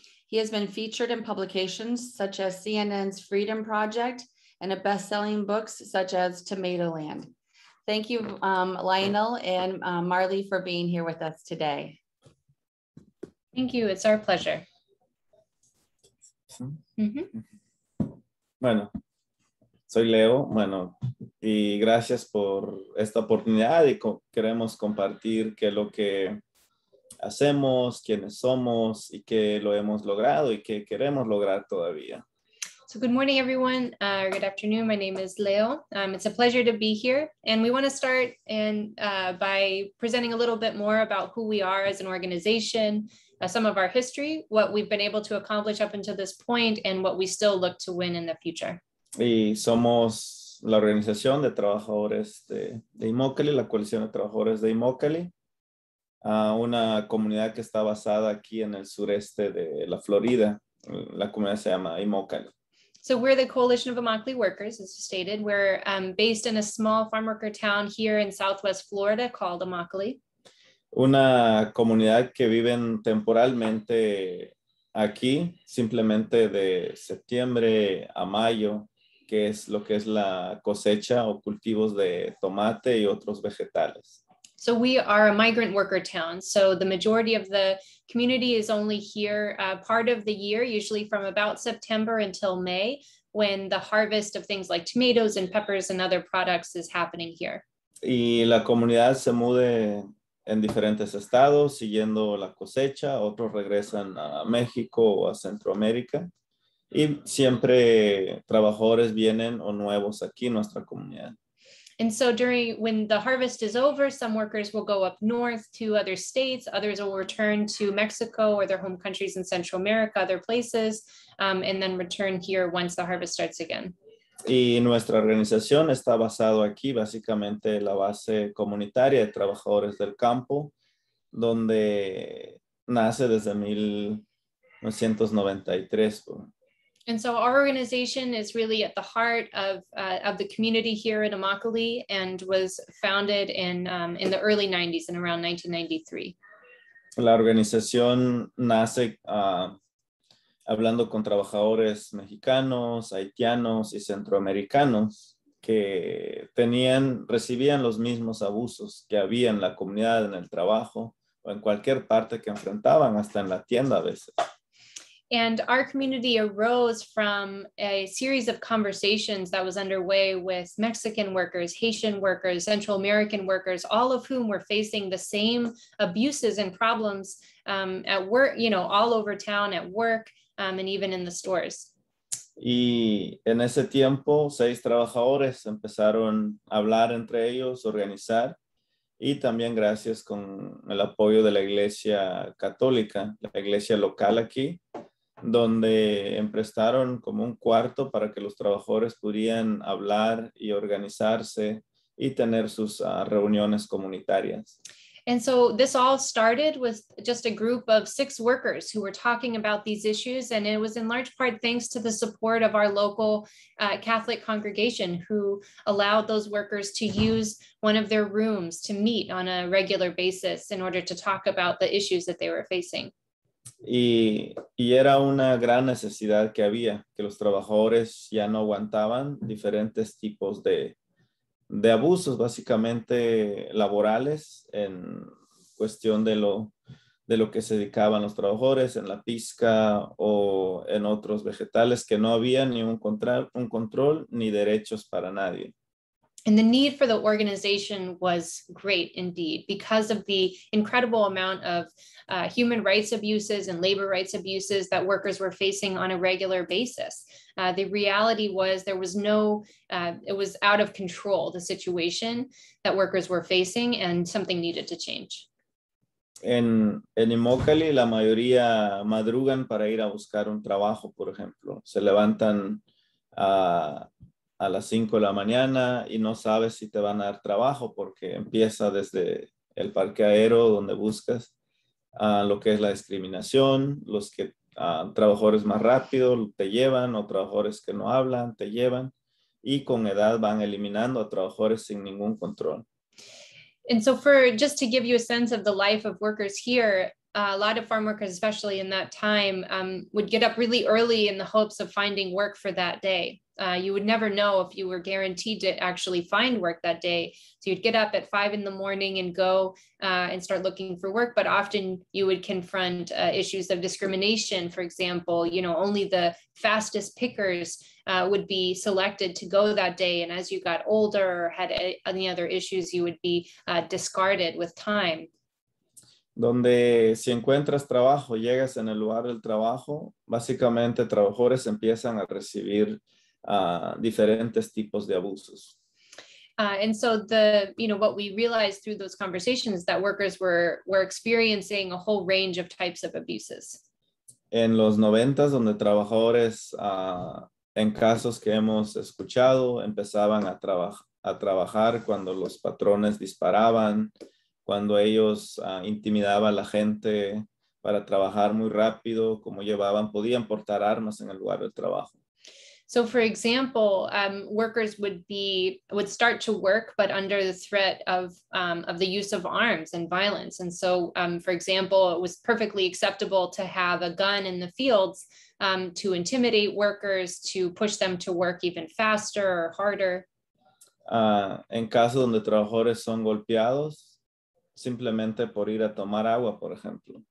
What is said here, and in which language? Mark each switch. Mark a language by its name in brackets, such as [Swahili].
[English] He has been featured in publications such as CNN's Freedom Project and a best-selling books such as Tomato Land. Thank you, Lionel and Marley, for being here with us today. Thank you, it's our pleasure. [Spanish] Mm-hmm. Bueno. Soy Leo, bueno, y gracias por esta oportunidad y queremos compartir qué es lo que hacemos, quiénes somos y qué lo hemos logrado y qué queremos lograr todavía. [English] So good morning, everyone. Good afternoon. My name is Leo. It's a pleasure to be here. And we want to start and by presenting a little bit more about who we are as an organization, some of our history, what we've been able to accomplish up until this point, and what we still look to win in the future. [Spanish] Y somos la organización de trabajadores de Immokalee, la coalición de trabajadores de Immokalee, una comunidad que está basada aquí en el sureste de la Florida. La comunidad se llama Immokalee. [English] So we're the Coalition of Immokalee Workers, as you stated. We're based in a small farm worker town here in southwest Florida called Immokalee. [Spanish] Una comunidad que viven temporalmente aquí, simplemente de septiembre a mayo, que es lo que es la cosecha o cultivos de tomate y otros vegetales. [English] So we are a migrant worker town. So the majority of the community is only here part of the year, usually from about September until May, when the harvest of things like tomatoes and peppers and other products is happening here. [Spanish] Y la comunidad se mude en diferentes estados siguiendo la cosecha. Otros regresan a México o a Centroamérica. Y siempre trabajadores vienen o nuevos aquí en nuestra comunidad. [English] And so during, when the harvest is over, some workers will go up north to other states, others will return to Mexico or their home countries in Central America, other places, and then return here once the harvest starts again. [Spanish] Y nuestra organización está basado aquí, básicamente la base comunitaria de trabajadores del campo, donde nace desde 1993. [English] And so our organization is really at the heart of the community here in Immokalee and was founded in the early 90s, in around 1993. [Spanish] La organización nace hablando con trabajadores mexicanos, haitianos y centroamericanos que recibían los mismos abusos que había en la comunidad, en el trabajo o en cualquier parte que enfrentaban, hasta en la tienda a veces. [English] And our community arose from a series of conversations that was underway with Mexican workers, Haitian workers, Central American workers, all of whom were facing the same abuses and problems at work, you know, all over town at work and even in the stores. [Spanish] Y en ese tiempo, seis trabajadores empezaron a hablar entre ellos, organizar. Y también gracias con el apoyo de la iglesia católica, la iglesia local aquí, donde emprestaron como un cuarto para que los trabajadores pudieran hablar y organizarse y tener sus reuniones comunitarias. [English] And so this all started with just a group of six workers who were talking about these issues. And it was in large part thanks to the support of our local Catholic congregation, who allowed those workers to use one of their rooms to meet on a regular basis in order to talk about the issues that they were facing. [Spanish] Y era una gran necesidad que había, que los trabajadores ya no aguantaban diferentes tipos de abusos, básicamente laborales, en cuestión de lo que se dedicaban los trabajadores, en la pizca o en otros vegetales, que no había ni un control ni derechos para nadie. [English] And the need for the organization was great indeed because of the incredible amount of human rights abuses and labor rights abuses that workers were facing on a regular basis. The reality was there was no, it was out of control, the situation that workers were facing, and something needed to change. [Spanish] En Imokali, la mayoría madrugan para ir a buscar un trabajo, por ejemplo. Se levantan a las 5 de la mañana y no sabes si te van a dar trabajo porque empieza desde el parque aéreo donde buscas lo que es la discriminación, los que trabajadores más rápido te llevan o trabajadores que no hablan te llevan y con edad van eliminando a trabajadores sin ningún control. [English] And so for just to give you a sense of the life of workers here, a lot of farm workers, especially in that time, would get up really early in the hopes of finding work for that day. You would never know if you were guaranteed to actually find work that day. So you'd get up at 5 a.m. and go and start looking for work. But often you would confront issues of discrimination. For example, you know, only the fastest pickers would be selected to go that day. And as you got older or had any other issues, you would be discarded with time. [Spanish] Donde si encuentras trabajo, llegas en el lugar del trabajo, básicamente trabajadores empiezan a recibir diferentes tipos de abusos. [English] And so the, you know, what we realized through those conversations that workers were experiencing a whole range of types of abuses. [Spanish] En los 90s, donde trabajadores, en casos que hemos escuchado, empezaban a trabajar cuando los patrones disparaban, cuando ellos intimidaban a la gente para trabajar muy rápido, como llevaban, podían portar armas en el lugar del trabajo. [English] So for example, workers would start to work, but under the threat of the use of arms and violence. And so, for example, it was perfectly acceptable to have a gun in the fields to intimidate workers, to push them to work even faster or harder. [Spanish] En casos donde trabajadores son golpeados, simplemente por ir a tomar agua, por ejemplo.